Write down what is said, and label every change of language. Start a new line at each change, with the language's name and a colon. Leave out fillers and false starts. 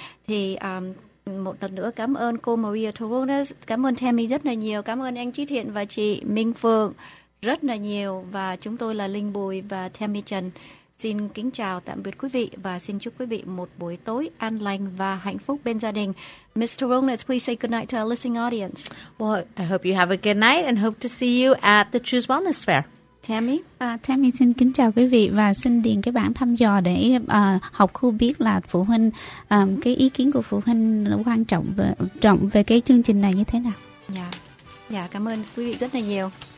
Vietnamese: Thì một lần nữa cảm ơn cô Maria Torunas, cảm ơn Tammy rất là nhiều, cảm ơn anh Trí Thiện và chị Minh Phượng rất là nhiều, và chúng tôi là Linh Bùi và Tammy Trần xin kính chào tạm biệt quý vị và xin chúc quý vị một buổi tối an lành và hạnh phúc bên gia đình.
English: Ms. Torunas, please say good night to our listening audience. Well, I hope you have a good night and hope to see you at the Choose Wellness Fair. Tammy?
Vietnamese: Tammy xin kính chào quý vị và xin điền cái bản thăm dò để học khu biết là phụ huynh, cái ý kiến của phụ huynh quan trọng về cái chương trình này như thế nào. Dạ, dạ, cảm ơn quý vị rất là nhiều.